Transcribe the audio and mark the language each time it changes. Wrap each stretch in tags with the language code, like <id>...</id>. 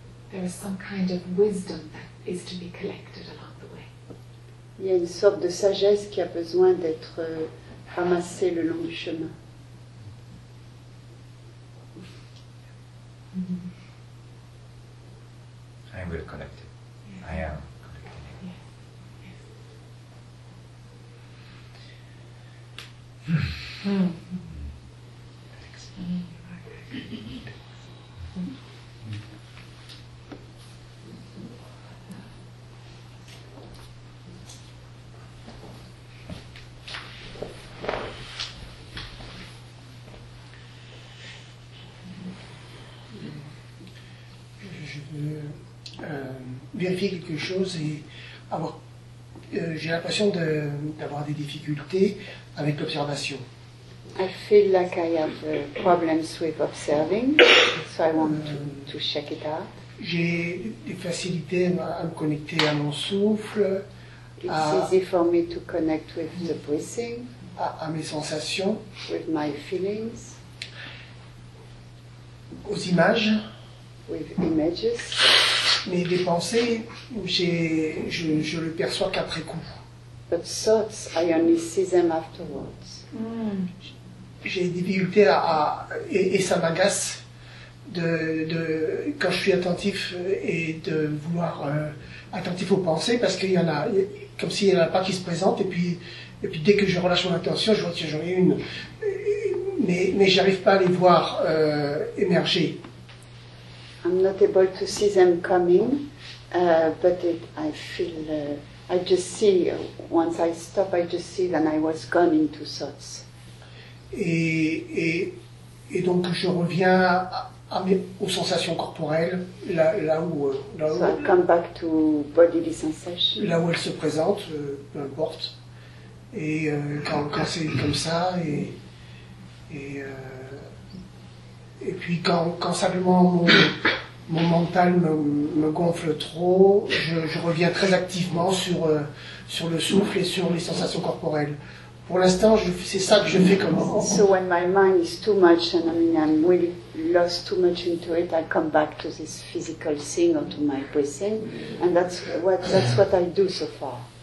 <en>There is some kind of wisdom that is to be collected along the way.</en> <fr>Il y a une sorte de sagesse qui a besoin d'être ramassée le long du chemin.</fr> <en>Mm-hmm. I will collect it. Yeah. I am collecting it. Yes. Yes.</en> <fr>Vérifier quelque chose et avoir. J'ai l'impression d'avoir des difficultés avec l'observation.</fr> <en>I feel like I have problems with observing, so I want to check it out.</en> <fr>J'ai des facilités à me connecter à mon souffle.</fr> <en>It's easy for me to connect with the breathing.</en> <fr>À mes sensations.</fr> <en>With my feelings.</en> <fr>Aux images.</fr> <en>With images.</en> <fr>Mais des pensées, je le perçois qu'après coup.</fr> <en>But thoughts, I only see them afterwards.</en> <fr>J'ai des difficultés et ça m'agace de quand je suis attentif et de vouloir attentif aux pensées parce qu'il y en a comme s'il y en a pas qui se présentent et puis dès que je relâche mon attention, je vois que j'en ai une, mais j'arrive pas à les voir émerger.</fr> <en>I'm not able to see them coming, but I just see, once I stop, I just see that I was gone into thoughts.</en> <fr>Et donc je reviens aux sensations corporelles, là où...</fr> <en>So I come back to bodily sensations.</en> <fr>Là où elles se présentent, peu importe. Et quand c'est comme ça, et puis quand simplement mon mental me gonfle trop, je reviens très activement sur le souffle et sur les sensations corporelles. Pour l'instant, c'est ça que je fais comme.</fr> <en>So when my mind is too much and I mean I'm really lost too much into it, I come back to this physical thing or to my breathing, and that's what I do so far.</en>